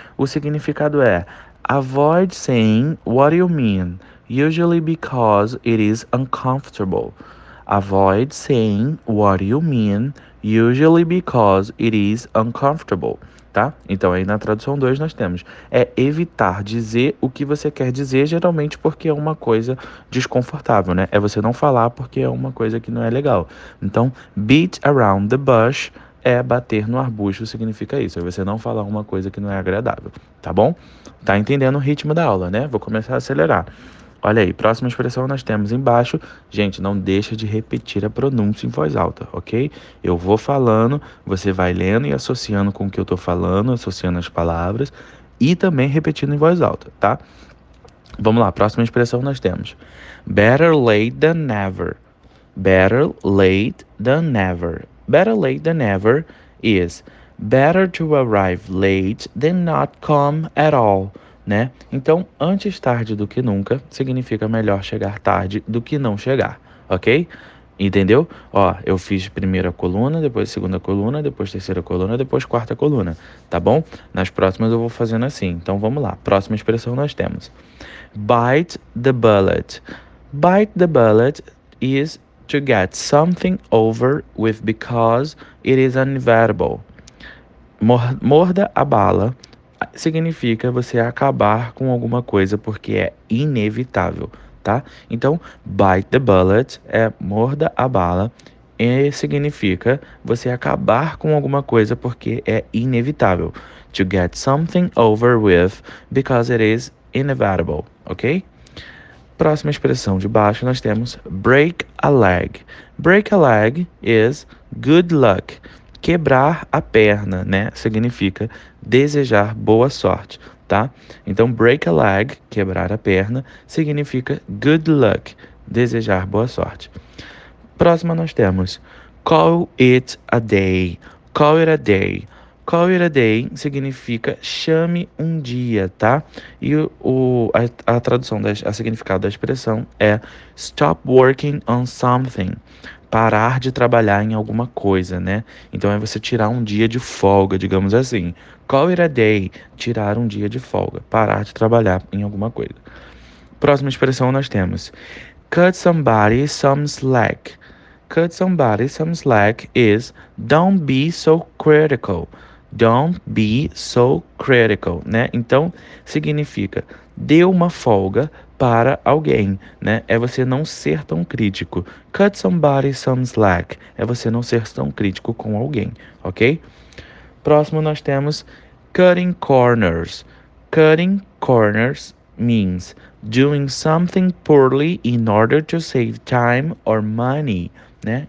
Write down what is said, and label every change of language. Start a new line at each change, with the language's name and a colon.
Portuguese: O significado é
English: avoid saying what you mean, usually because it is uncomfortable. Avoid saying what you mean, usually because it is uncomfortable.
Portuguese: Tá? Então, aí na tradução 2 nós temos, é evitar dizer o que você quer dizer, geralmente porque é uma coisa desconfortável, né? É você não falar porque é uma coisa que não é legal. Então, beat around the bush é bater no arbusto, significa isso, é você não falar uma coisa que não é agradável, tá bom? Tá entendendo o ritmo da aula, né? Vou começar a acelerar. Olha aí, próxima expressão nós temos embaixo. Gente, não deixa de repetir a pronúncia em voz alta, ok? Eu vou falando, você vai lendo e associando com o que eu tô falando, associando as palavras e também repetindo em voz alta, tá? Vamos lá, próxima expressão nós temos.
English: Better late than never. Better late than never. Better late than never is better to arrive late than not come at all.
Portuguese: Né? Então, antes tarde do que nunca, significa melhor chegar tarde do que não chegar, ok? Entendeu? Ó, eu fiz primeira coluna, depois segunda coluna, depois terceira coluna, depois quarta coluna, tá bom? Nas próximas eu vou fazendo assim, então vamos lá. Próxima expressão nós temos.
English: Bite the bullet. Bite the bullet is to get something over with because it is inevitable.
Portuguese: Morda a bala. Significa você acabar com alguma coisa porque é inevitável, tá? Então, bite the bullet é morda a bala e significa você acabar com alguma coisa porque é inevitável.
English: To get something over with because it is inevitable, ok?
Portuguese: Próxima expressão de baixo nós temos break a leg.
English: Break a leg is good luck.
Portuguese: Quebrar a perna, né? Significa desejar boa sorte, tá? Então, break a leg, quebrar a perna, significa good luck, desejar boa sorte. Próxima nós temos
English: call it a day. Call it a day.
Portuguese: Call it a day significa chame um dia, tá? E a tradução, a significado da expressão é
English: stop working on something.
Portuguese: Parar de trabalhar em alguma coisa, né? Então, é você tirar um dia de folga, digamos assim. Call it a day. Tirar um dia de folga. Parar de trabalhar em alguma coisa. Próxima expressão nós temos.
English: Cut somebody some slack. Cut somebody some slack is don't be so critical. Don't be so critical, né?
Portuguese: Então, significa dê uma folga para alguém, né? É você não ser tão crítico.
English: Cut somebody some slack.
Portuguese: É você não ser tão crítico com alguém, ok? Próximo nós temos
English: cutting corners. Cutting corners means doing something poorly in order to save time or money, né?